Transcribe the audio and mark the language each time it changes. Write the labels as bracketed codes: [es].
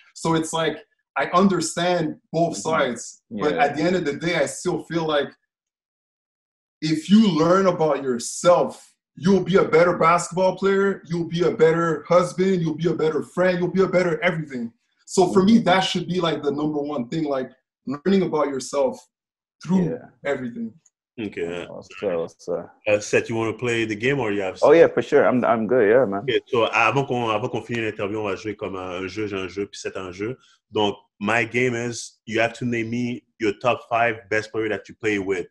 [en] So it's like, I understand both sides, but at the end of the day, I still feel like if you learn about yourself, you'll be a better basketball player, you'll be a better husband, you'll be a better friend, you'll be a better everything. So for me, that should be like the number one thing, like learning about yourself through everything. Okay. Seth, you want to play the game or you have? Oh yeah, for sure. I'm good. Yeah, man. Okay. [fr] So avant qu'on finisse l'interview, on va jouer comme un jeu, puis c'est un jeu. [en] Donc my game is you have to name me your top five best players that you play with.